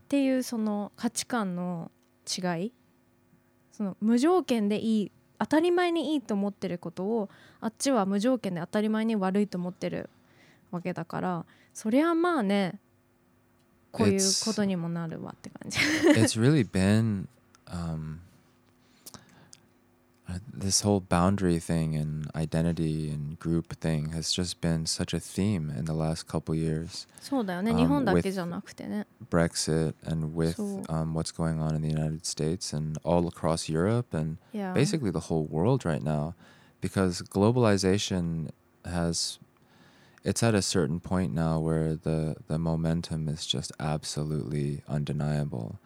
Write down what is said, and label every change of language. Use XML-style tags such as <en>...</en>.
<ja>っていうその価値観の違い、その無条件でいい、当たり前にいいと思ってることをあっちは無条件で当たり前に悪いと思ってるわけだから、そりゃまあね、こういうことにもなるわって感じ。</ja> <en>It's really been、this whole boundary thing and identity and group thing has just been such a theme in the last couple years.</en> <ja>そうだよね、日本だけじゃなくてね。</ja> <en>Brexit and with、what's going on in the United States and all across Europe and、 yeah. basically the whole world right now, because globalization has, it's at a certain point now where the momentum is just absolutely undeniable.、</en>